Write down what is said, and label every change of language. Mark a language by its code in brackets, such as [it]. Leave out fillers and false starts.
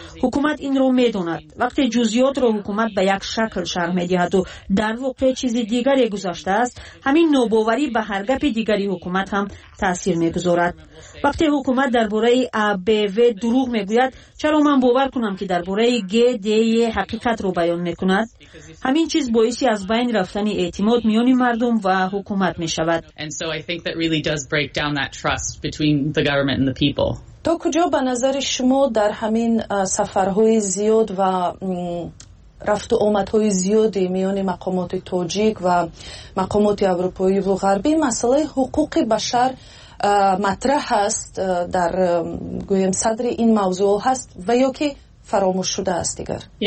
[fa] حکومت این را می داند. وقتی جزئیات را حکومت به یک شکل شرح می دهد و در واقع چیز دیگری گذشته است، همین ناباوری به هر گپ دیگری حکومت هم تأثیر می گذارد. وقتی حکومت درباره ABV دروغ می گوید، چرا من باور کنم که درباره [tg] дарбораи ГДЕ ҳақиқатро баён мекунад, ҳамин чиз боиси аз байн рафтани эътимод миёни мардум ва ҳукумат мешавад. [en] And so I think that really does break down that trust between the government and the people. [tg] То куҷо ба назари шумо дар ҳамин сафарҳои зиёд ва рафт ва омадҳои зиёди миёни мақомоти тоҷик ва мақомоти аврупоӣ ва ғарбӣ масалаи ҳуқуқи башар матраҳ ҳаст дар гӯем садри ин мавзӯъ ҳаст ва ё ки фаромӯш шудааст дигар?